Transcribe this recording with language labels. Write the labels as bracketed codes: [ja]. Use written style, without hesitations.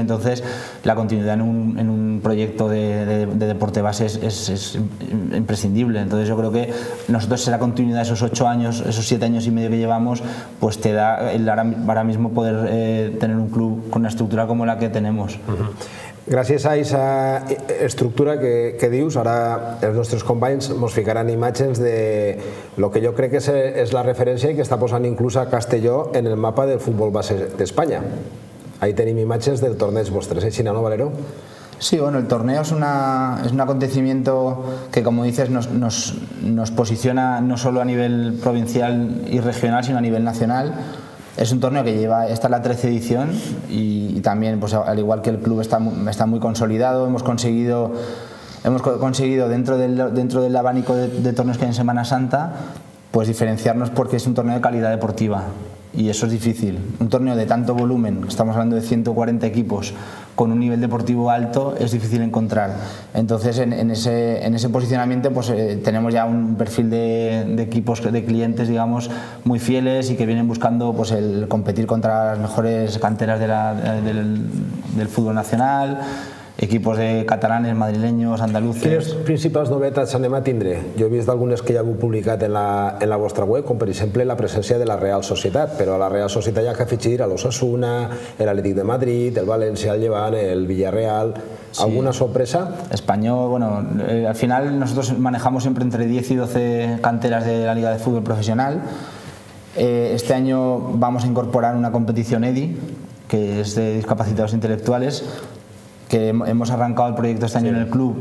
[es] Entonces, la continuidad en un proyecto de deporte base es imprescindible. Entonces, yo creo que nosotros, esa continuidad, esos 8 años, esos 7 años y medio que llevamos, pues te da el ahora mismo poder tener un club con una estructura como la que tenemos. Uh-huh. [ca] Gràcies a aquesta estructura que dius, ara els nostres companys ens ficaran imatges de el que jo crec que és la referència i que està posant inclús a Castelló en el mapa del futbol base d'Espanya. Ahí tenim imatges del torneig vostres, eh? Xina, no, Valero? [es] Sí, bueno, el torneo es un acontecimiento que, como dices, nos posiciona no solo a nivel provincial y regional, sino a nivel nacional. Es un torneo que lleva, esta es la 13 edición y también, pues al igual que el club, está muy consolidado. Hemos conseguido dentro del abanico de torneos que hay en Semana Santa, pues diferenciarnos, porque es un torneo de calidad deportiva y eso es difícil. Un torneo de tanto volumen, estamos hablando de 140 equipos, con un nivel deportivo alto es difícil encontrar. Entonces, en ese posicionamiento, pues tenemos ya un perfil de equipos, de clientes, digamos, muy fieles y que vienen buscando, pues, el competir contra las mejores canteras del fútbol nacional. Equipos de catalanes, madrileños, andaluces. [ca] ¿Quines principals novetats anem a tindre? Jo he vist algunes que ja heu publicat en la vostra web, com per exemple la presència de la Real Societat, però a la Real Societat ja que ha fitxit a l'Osasuna, l'Atlètic de Madrid, el València, el Llevant, el Villarreal... [es] Sí. ¿Alguna sorpresa? Español, bueno, al final nosotros manejamos siempre entre 10 y 12 canteras de la Liga de Fútbol Profesional. Este año vamos a incorporar una competición EDI, que es de discapacitados intelectuales, que hemos arrancado el proyecto este año, sí, en el club.